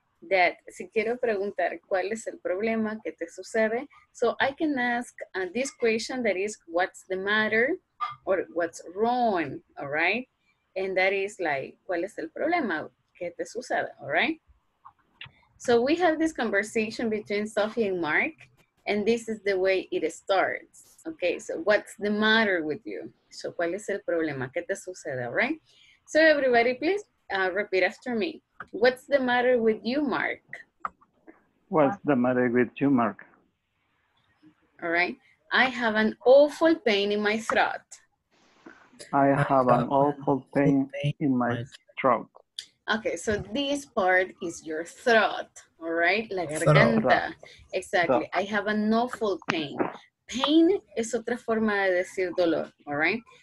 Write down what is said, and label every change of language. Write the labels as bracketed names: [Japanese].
[English] That [Spanish] si quiero preguntar cuál es el problema que te sucede, [English] so I can ask this question, that is, what's the matter or what's wrong, all right? And that is like, [Spanish] cuál es el problema que te sucede, [English] all right? So we have this conversation between Sophie and Mark, and this is the way it starts, okay? So what's the matter with you? [Spanish] So cuál es el problema que te sucede, [English] all right? So everybody, please repeat after me. What's the matter with you, Mark? What's the matter with you, Mark? All right. I have an awful pain in my throat. I have an awful pain in my throat. Okay, so this part is your throat, all right? [Spanish] La garganta. [English] Exactly. I have an awful pain. [Spanish] Pain es otra forma de decir dolor, [English] all right?